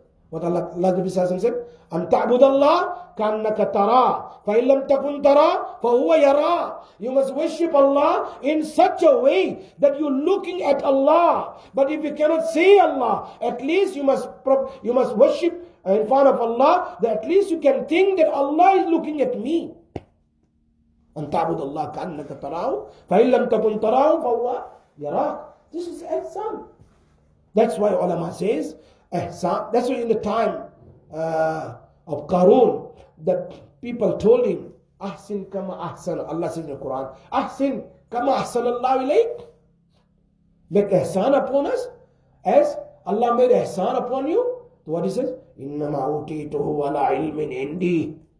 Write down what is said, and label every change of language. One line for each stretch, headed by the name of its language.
English: What Allah Nabi Sallallahu Alaihi Wasallam said,
Arabic: an ta'budallah, kannaka tara, fa illam takun tara, fa huwa yara.
English: You must worship Allah in such a way that you're looking at Allah. But if you cannot see Allah, at least you must worship in front of Allah, that at least you can think that Allah is looking at me.
Arabic: أن تعبد الله كأنك تراه فإن لم تكن تراه فهو يراك.
English: This is ihsan. That's why ulama says ihsan. That's why in the time of Qarun, the people told him
Arabic: أحسن كما أحسن.
English: Allah says in the Quran,
Arabic: أحسن كما أحسن الله إليك.
English: Make ihsan upon us as Allah made ihsan upon you. So what he says,
Arabic: إنما أوتيته ولا علم عندي.